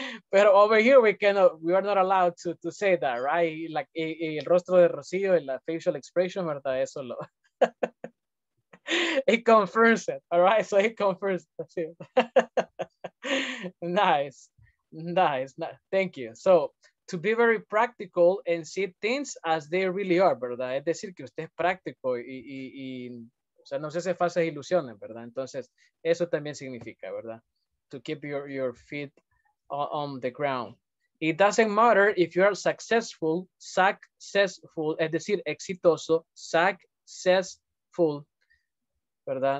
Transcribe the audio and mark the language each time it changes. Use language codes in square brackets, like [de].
[es] Pero [en] over here, we are not allowed to say that, right? Like, [es] y el rostro de Rocío y la [en] facial expression, [es] ¿verdad? Eso lo... [en] It confirms it, all right? So it confirms it. Nice. Nice. Nice. Thank you. So... To be very practical and see things as they really are, [es] ¿verdad? Es decir, que usted es práctico y o sea, no se hace falsas ilusiones, ¿verdad? Entonces, eso también significa, ¿verdad? [en] To keep your feet on the ground. It doesn't matter if you are successful, [es] es decir, exitoso, [en] successful, [es] ¿verdad?